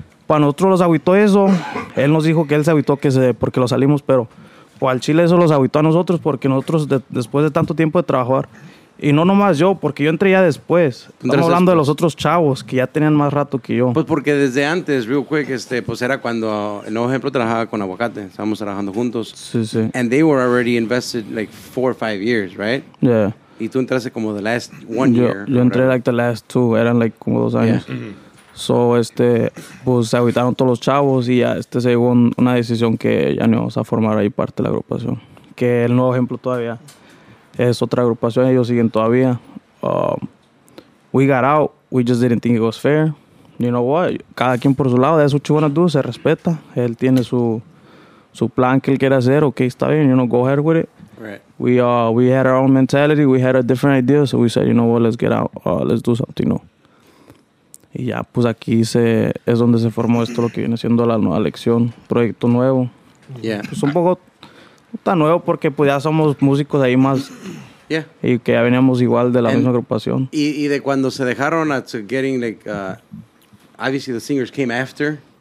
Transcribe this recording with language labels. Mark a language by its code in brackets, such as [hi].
[es] Para nosotros los agüitó eso. Él nos dijo que él se agüitó porque lo salimos, pero al chile eso los agüitó a nosotros porque nosotros después de tanto tiempo de trabajar, y no nomás yo, porque yo entré ya después. Estamos hablando de los otros chavos que ya tenían más rato que yo. Pues porque desde antes, [en] real quick, [es] este, pues era cuando, en un ejemplo, trabajaba con Aguacate. Estábamos trabajando juntos. Sí, sí. [en] And they were already invested like 4 or 5 years, right? Yeah. [es] Y tú entraste como [en] the last one year. [es] Yo entré [en] like the last two, [es] eran like como 2 años. Yeah. Mm-hmm. So, este, pues se agüitaron todos los chavos y ya, este, se llegó una decisión que ya no vamos a formar ahí parte de la agrupación. Que el nuevo ejemplo todavía es otra agrupación, ellos siguen todavía. [en] We got out, we just didn't think it was fair. You know what? [es] Cada quien por su lado, [en] that's what you wanna do, [es] se respeta. Él tiene su plan que él quiere hacer, okay, está bien, [en] you know, go ahead with it. Right. We had our own mentality, we had a different idea, so we said, you know what, let's get out, let's do something, you know. [es] Y ya, pues aquí es donde se formó esto, lo que viene siendo la nueva lección, proyecto nuevo. [en] Yeah. [es] Pues un poco, no tan nuevo, porque pues ya somos músicos ahí más. [en] Yeah. [es] Y que ya veníamos igual de la misma agrupación. Y de cuando se dejaron [en] to getting, like, obviously the singers came after.